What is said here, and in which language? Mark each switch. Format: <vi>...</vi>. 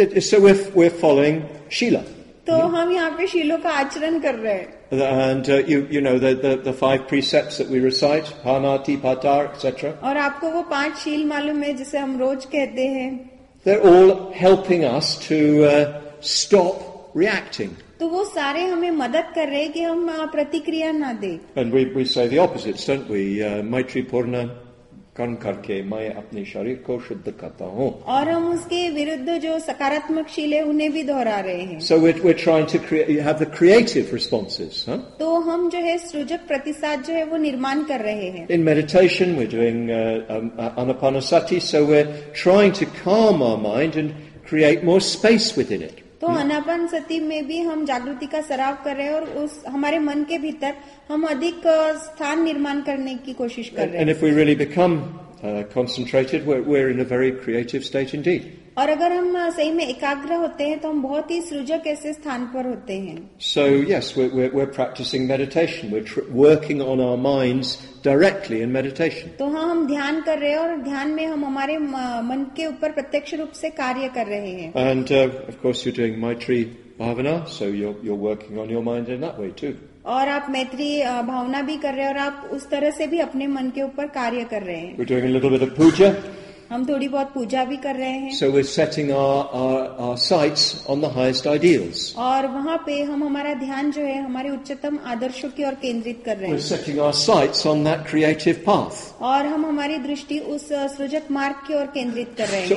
<en>So we're following Shila.</en> <hi>तो हम यहाँ पे शीलों का आचरण कर रहे हैं.</hi> <en>And you know the five precepts that we recite, Pana, Tipatar, etc.</en> <hi>और आपको वो पांच शील मालूम है जिसे हम रोज कहते हैं.</hi> <en>They're all helping us to stop reacting.</en> <hi>तो वो सारे हमें मदद कर रहे हैं कि हम प्रतिक्रिया ना दें.</hi> <en>And we say the opposites, don't we?</en> <hi>मैत्री पूर्ण कर्ण करके मैं अपने शरीर को शुद्ध करता हूँ. और हम उसके विरुद्ध जो सकारात्मक शीले उन्हें भी दोहरा रहे हैं.</hi> <en>So we're trying to have the creative responses.</en> <hi>तो हम जो है सृजक प्रतिसाद जो है वो निर्माण कर रहे हैं.</hi> <en>In meditation we're doing anapanasati, so we're trying to calm our mind and create more space within it.</en> <hi>तो अनापन सती में भी हम जागृति का सराव कर रहे हैं और उस हमारे मन के भीतर हम अधिक स्थान निर्माण करने की कोशिश कर रहे हैं.</hi> <en>And if we really become concentrated, we're in a very creative state indeed.</en> <hi>और अगर हम सही में एकाग्र होते हैं तो हम बहुत ही सृजक ऐसे स्थान पर होते हैं.</hi> <en>So yes, we're practicing meditation. We're working on our minds directly in meditation.</en> <hi>तो हाँ हम ध्यान कर रहे हैं और ध्यान में हम हमारे मन के ऊपर प्रत्यक्ष रूप से कार्य कर रहे हैं.</hi> <en>And of course you're doing Maitri Bhavana, so you're working on your mind in that way too.</en> <hi>और आप मैत्री भावना भी कर रहे हैं और आप उस तरह से भी अपने मन के ऊपर कार्य कर रहे हैं.</hi> <en>We're doing a little bit of puja.</en> <hi>हम थोड़ी बहुत पूजा भी कर रहे हैं.</hi> <en>So we're setting our sights on the highest ideals.</en> <hi>और वहाँ पे हम हमारा ध्यान जो है हमारे उच्चतम आदर्शों की ओर केंद्रित कर रहे हैं.</hi> <en>We're setting our sights on that creative path.</en> <hi>और हम हमारी दृष्टि उस सृजक मार्ग की ओर केंद्रित कर रहे हैं.</hi>